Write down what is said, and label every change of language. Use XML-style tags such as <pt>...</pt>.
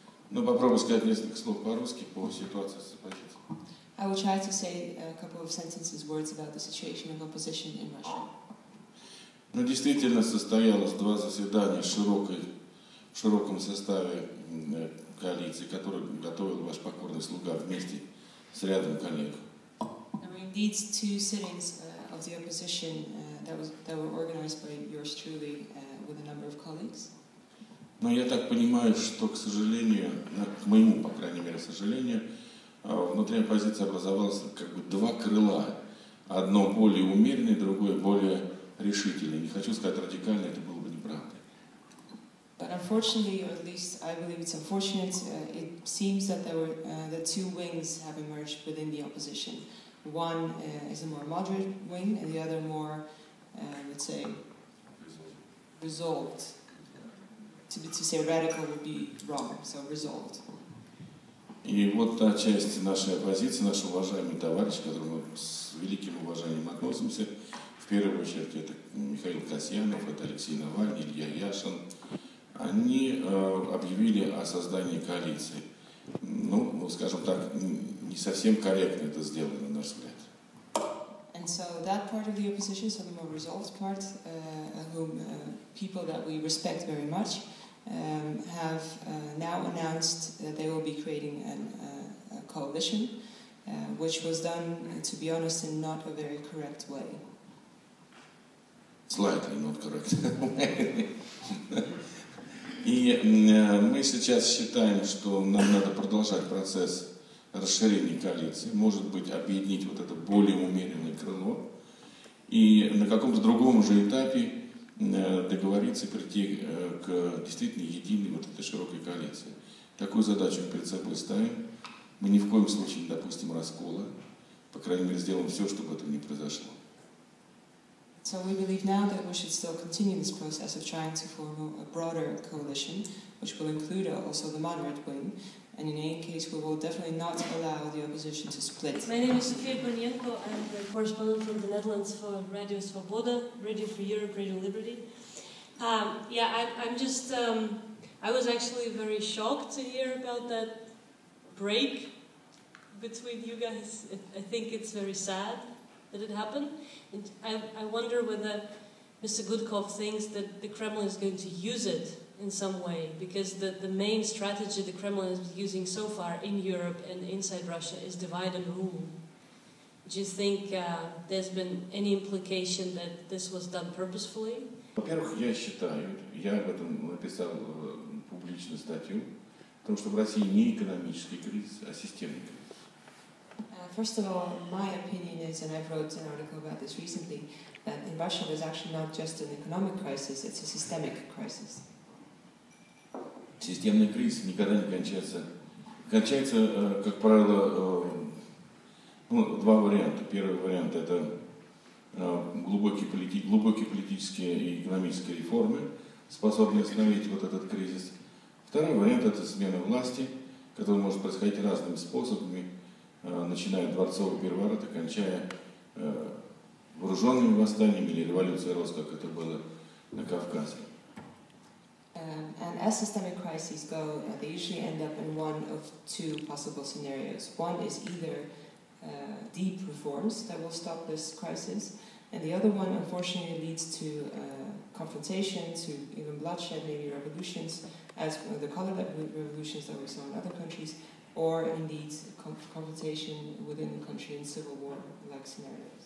<ru>Ну, попробую сказать несколько слов по-русски по ситуации с оппозицией.</ru> <en>I will try to say a couple of sentences, words about the situation of opposition in Russia.</en> <ru>Ну, действительно, состоялось два заседания в широком составе коалиции, которую готовил ваш покорный слуга вместе с рядом коллег.</ru> <en>There were indeed two sittings of the opposition that were organized by yours truly with a number of colleagues.</en> <ru>Но я так понимаю, что, к сожалению, к моему, по крайней мере, сожалению, внутри оппозиции образовалось как бы два крыла. Одно более умеренное, другое более решительное. Не хочу сказать радикальное, это было бы неправдой.</ru> <en>But unfortunately, or at least I believe it's unfortunate, it seems that there were the two wings have emerged within the opposition. One is a more moderate wing, and the other more, let's say, resolved. To say radical would be wrong, so resolved.</en> <ru>И вот та часть нашей оппозиции, наш уважаемый товарищ, к которому мы с великим уважением относимся, в первую очередь это Михаил Касьянов, это Алексей Навальный, Илья Яшин, они объявили о создании коалиции. Ну, скажем так, не совсем корректно это сделано, на наш взгляд.</ru> <en>And so that part of the opposition, so the more resolved part, whom people that we respect very much, have now announced that they will be creating a coalition, which was done, to be honest, in not a very correct way. Slightly not correct.</en> <ru>И мы сейчас считаем, что нам надо продолжать процесс расширения коалиции, может быть, объединить вот это более умеренное крыло и на каком-то другом уже этапе договориться и прийти к действительно единой вот этой широкой коалиции. Такую задачу мы перед собой ставим. Мы ни в коем случае не допустим раскола. По крайней мере, сделаем все, чтобы этого не произошло.</ru> <en>So we believe now that we should still continue this process of trying to form a broader coalition, which will include also the moderate wing. And in any case, we will definitely not allow the opposition to split. My name is Sofia Bonienko. I'm a correspondent from the Netherlands for Radio Svoboda, Radio for Europe, Radio Liberty. I was actually very shocked to hear about that break between you guys. I think it's very sad that it happened. And I wonder whether Mr. Gudkov thinks that the Kremlin is going to use it in some way, because the main strategy the Kremlin has been using so far in Europe and inside Russia is divide and rule. Do you think there's been any implication that this was done purposefully?</en> <ru>Во-первых, я считаю, я об этом написал публичную статью, потому что в России не экономический кризис, а системный кризис.</ru> <en>First of all, my opinion is, and I've wrote an article about this recently, that in Russia there's actually not just an economic crisis, it's a systemic crisis.</en> <ru>Системный кризис никогда не кончается. Кончается, как правило, ну, два варианта. Первый вариант – это глубокие политические и экономические реформы, способные остановить вот этот кризис. Второй вариант – это смена власти, которая может происходить разными способами, начиная от дворцового переворота, кончая вооруженными восстаниями или революцией роста, как это было на Кавказе.</ru> <en>And as systemic crises go, they usually end up in one of two possible scenarios. One is either deep reforms that will stop this crisis, and the other one, unfortunately, leads to confrontation, to even bloodshed, maybe revolutions, as the color revolutions that we saw in other countries, or indeed confrontation within the country in civil war-like scenarios.</en>